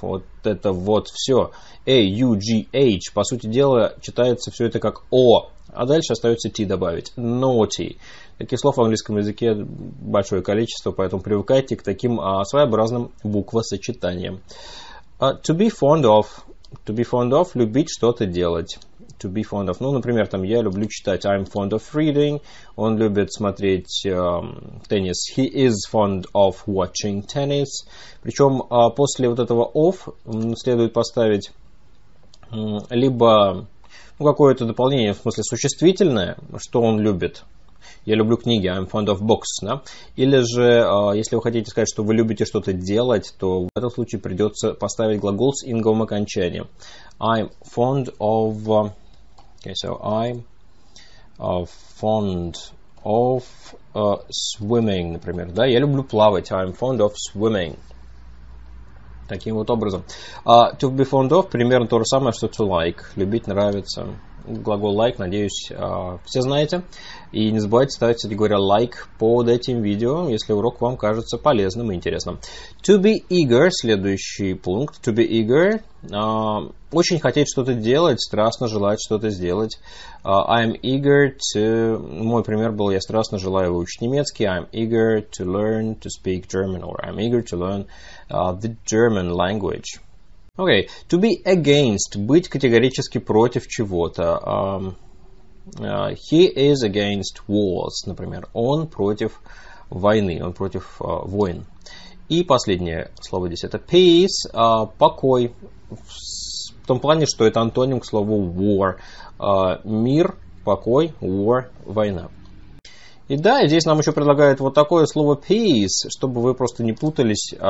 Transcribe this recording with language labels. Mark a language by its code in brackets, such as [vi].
[ru] Вот это вот все. A-U-G-H. По сути дела, читается все это как «о». А дальше остается ти добавить. [en] Naughty. [ru] Таких слов в английском языке большое количество, поэтому привыкайте к таким своеобразным буквосочетаниям. [en] To be fond of. To be fond of – [ru] любить что-то делать. [en] To be fond of. [ru] Ну, например, там я люблю читать. [en] I'm fond of reading. [ru] Он любит смотреть теннис. [en] He is fond of watching tennis. [ru] Причем после вот этого of следует поставить либо... Ну, какое-то дополнение, в смысле, существительное, что он любит. Я люблю книги, [en] I'm fond of books, [ru] да? Или же, если вы хотите сказать, что вы любите что-то делать, то в этом случае придется поставить глагол с инговым окончанием. [en] I'm fond of... Okay, so I'm fond of swimming, [ru] например, да? Я люблю плавать, [en] I'm fond of swimming. [ru] Таким вот образом. [en] To be fond of – [ru] примерно то же самое, что [en] to like. [ru] Любить, нравится. Глагол like, надеюсь, все знаете. И не забывайте ставить, кстати говоря, лайк под этим видео, если урок вам кажется полезным и интересным. [en] To be eager – [ru] следующий пункт. [en] To be eager [ru] – очень хотеть что-то делать, страстно желать что-то сделать. [en] I'm eager to... [ru] Мой пример был, я страстно желаю выучить немецкий. [en] I'm eager to learn to speak German. Or I'm eager to learn the German language. Okay. To be against [ru] – быть категорически против чего-то. [en] He is against wars, [ru] например. Он против войны, он против войн. И последнее слово здесь – это peace, покой. В том плане, что это антоним к слову war. Мир, покой, war – война. И да, здесь нам еще предлагают вот такое слово peace, чтобы вы просто не путались.